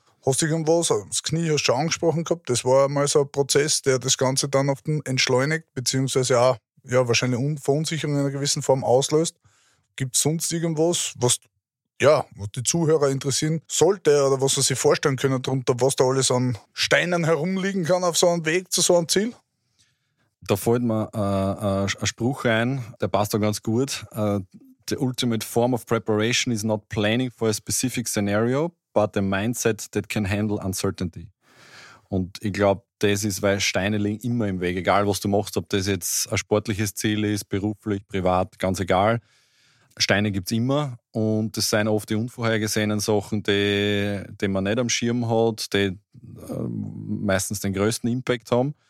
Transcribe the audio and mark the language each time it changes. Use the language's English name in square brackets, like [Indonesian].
[German] Hast du irgendwas, das Knie hast du schon angesprochen gehabt, das war mal so ein Prozess, der das Ganze dann auf den entschleunigt, beziehungsweise auch ja, wahrscheinlich Verunsicherung in einer gewissen Form auslöst. Gibt es sonst irgendwas, was die Zuhörer interessieren sollte oder was sie sich vorstellen können darunter, was da alles an Steinen herumliegen kann auf so einem Weg zu so einem Ziel? Da fällt mir ein Spruch ein, der passt da ganz gut. [English] The ultimate form of preparation is not planning for a specific scenario, but a mindset that can handle uncertainty. [German] Und ich glaube, das ist, weil Steine liegen immer im Weg, egal was du machst, ob das jetzt ein sportliches Ziel ist, beruflich, privat, ganz egal. Steine gibt es immer und das sind oft die unvorhergesehenen Sachen, die man nicht am Schirm hat, die meistens den größten Impact haben.